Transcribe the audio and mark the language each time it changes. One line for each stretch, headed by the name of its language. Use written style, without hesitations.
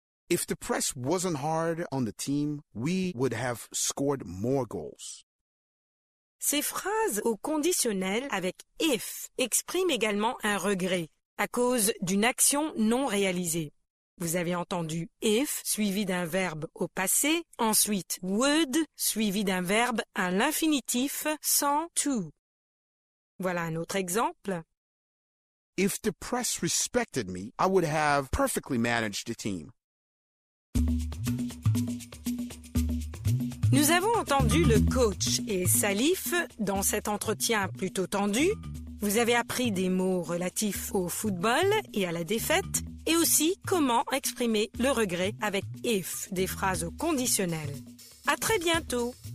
English: If the press wasn't hard on the team, we would have scored more goals.
French: Ces phrases au conditionnel avec if expriment également un regret à cause d'une action non réalisée. Vous avez entendu if suivi d'un verbe au passé, ensuite would suivi d'un verbe à l'infinitif sans to. Voilà un autre exemple.
English: If the press respected me, I would have perfectly managed the team.
French: Nous avons entendu le coach et Salif dans cet entretien plutôt tendu. Vous avez appris des mots relatifs au football et à la défaite, et aussi comment exprimer le regret avec if, des phrases au conditionnel. À très bientôt!